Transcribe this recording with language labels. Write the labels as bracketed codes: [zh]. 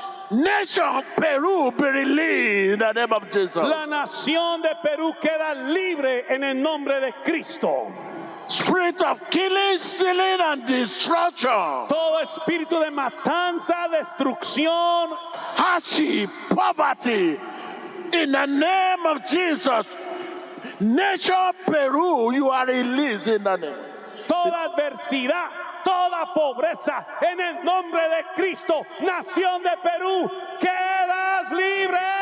[en] Nation of Peru be released in the name of Jesus. [es] La nación de Perú queda libre en el nombre de Cristo. [en] Spirit of killing, stealing, and destruction. [es] Todo espíritu de matanza, destrucción, [en] hardship, poverty, in the name of Jesus. Nation of Peru, you are released in the name. [es] Toda adversidad, toda pobreza, en el nombre de Cristo, nación de Perú, quedas libre.